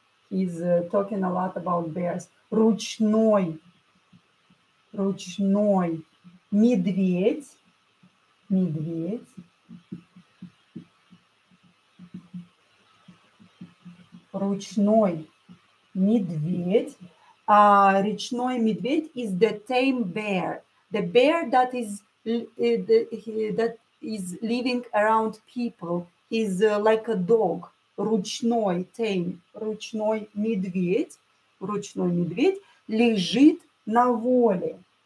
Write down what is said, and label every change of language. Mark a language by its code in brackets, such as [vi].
[en] He's talking a lot about bears. [ru] Ручной, ручной медведь, медведь, ручной медведь. Речной медведь [en] is the tame bear. The bear that is that is living around people is like a dog. [ru] Ручной, tame, ручной медведь лежит на воле.